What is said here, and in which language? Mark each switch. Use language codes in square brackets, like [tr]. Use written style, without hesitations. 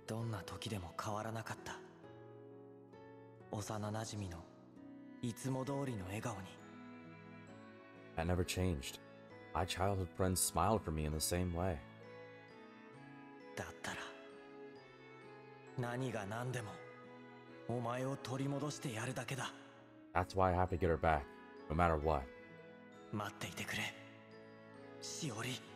[ja] どんな時でも変わらなかった。幼なじみのいつも通りの笑顔に。 [en] That never changed. My childhood friend smiled for me in the same way. [ja] だったら、何が何でもお前を取り戻してやるだけだ。 [en] That's why I have to get her back, no matter what. [ja] 待っていてくれ、しおり。